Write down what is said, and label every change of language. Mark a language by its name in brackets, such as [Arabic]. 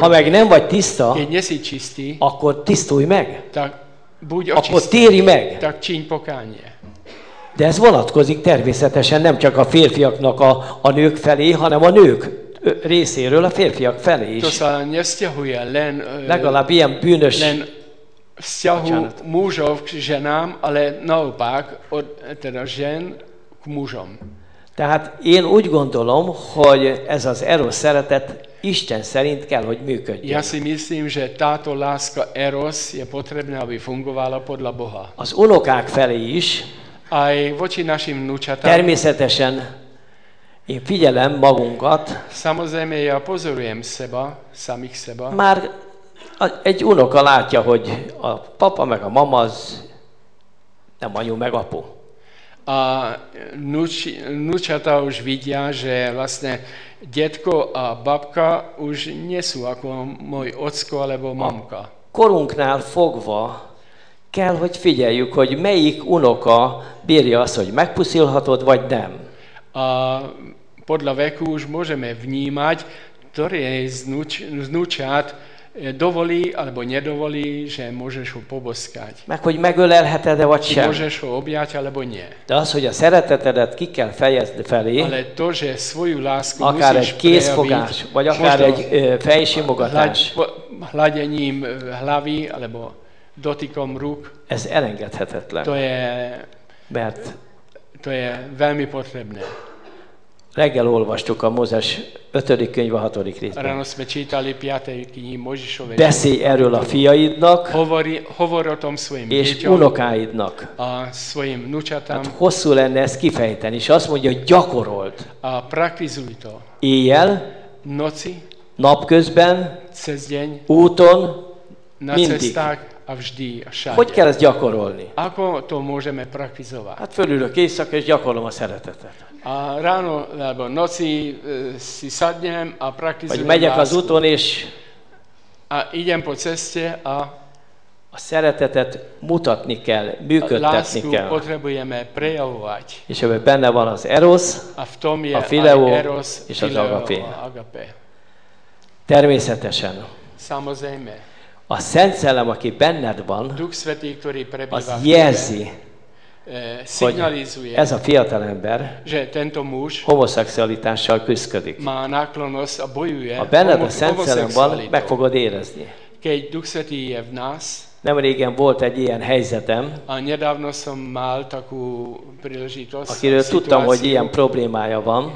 [Hungarian] Ha meg nem vagy tiszta. [Slovak] Keď nesi čistý. [Hungarian] Akkor tisztulj meg. [Slovak] Tak buď očistý. [Hungarian] Akkor téri meg. [Slovak] Tak čiň pokánie. [Hungarian] De ez vonatkozik természetesen nem csak a férfiaknak a nők felé, hanem a nők részéről a férfiak felé is. [Slovak] To sa nevzťahuje len. [Hungarian] Legalább ilyen bűnös [Slovak] len vzťahu mužov k ženám, ale naopak, teda žen k mužom. [Hungarian] Tehát én úgy gondolom, hogy ez az erosz szeretet Isten szerint kell, hogy működjön. [Slovak] Ja si myslím, že táto láska eros je potrebná, aby fungovala podľa Boha. [Hungarian] Az unokák felé is. [Slovak] Aj voči našim vnúčatám. [Hungarian] Természetesen én figyelem magunkat. [Slovak] Samozrejme, ja pozorujem seba, samých seba. [Hungarian] Már egy unoka látja, hogy a papa meg a mama az nem anyu meg apu. [Slovak] A vnúčatá už vidia, že vlastne detko a babka už nie sú ako môj ocko alebo mamka. [Hungarian] A korunknál fogva kell, hogy figyeljük, hogy melyik unoka bírja azt, hogy megpuszilhatod, vagy nem. [Slovak] A podľa veku už môžeme vnímať, ktorý je vnúčat dovolí, alebo nedovolí, že môžeš ho poboskať. [Hungarian] Meg, hogy megölelheted-e, vagy sem. [Slovak] Môžeš ho objať, alebo nie. [Hungarian] De az, hogy a szeretetedet ki kell fejezd felé, [Slovak] ale to, že svoju lásku [Hungarian] akár egy kézfogás, vagy akár egy fejsimogatás, [Slovak] hladením hlavy, alebo dotykom ruk, [Hungarian] ez elengedhetetlen. [Slovak] To je veľmi potrebné. [Hungarian] Reggel olvastuk a Mózes 5. könyve 6. részben. [Slovak] Ráno sme čítali 5. knihy Mózesovej. [Hungarian] Beszélj erről a fiaidnak. [Slovak] Hovor o tom svojim [Hungarian] deťom. És unokáidnak. [Slovak] A svojim vnúčatám. [Hungarian] Hát hosszú lenne ezt kifejteni. És azt mondja, hogy gyakorolt. [Slovak] A praktizuj to. [Hungarian] Éjjel. [Slovak] Noci. [Hungarian] Napközben. [Slovak] Cez deň. [Hungarian] Úton. Na mindig. [Slovak] Cesták. A vždy a sádje. [Hungarian] Hogy kell ezt gyakorolni? [Slovak] Ako to môžeme praktizovať? [Hungarian] Hát fölülök éjszaka, és gyakorlom a szeretetet. [Slovak] A ráno alebo noci si sadnem a praktizujem. [Hungarian] Vagy megyek az úton és [Slovak] a idem po ceste [Hungarian] a szeretetet mutatni kell, működtetni kell. [Slovak] Lásku potrebujeme prejavovať. [Hungarian] És ebben benne van az erosz, [Slovak] a v tom je [Hungarian] a fileo, [Slovak] eros, [Hungarian] és az agapé. [Slovak] Agape. [Hungarian] Természetesen. [Slovak] Samozrejme. [Hungarian] A Szent Szellem, aki benned van, [Slovak] Duch Svätý, ktorý prebýva, [Hungarian] az jelzi, [Slovak] signalizuje, [Hungarian] ez a fiatalember [Slovak] že tento muž [Hungarian] homoszexualitással küzdik. [Slovak] Má náklonosť a bojuje. [Hungarian] A benned a Szent Szellem van, meg fogod érezni. [Slovak] Keď Duch Svätý je v nás. [Hungarian] Nemrégen volt egy ilyen helyzetem. [Slovak] A nedávno som mal takú príležitosť. [Hungarian] Akiről tudtam, hogy ilyen problémája van.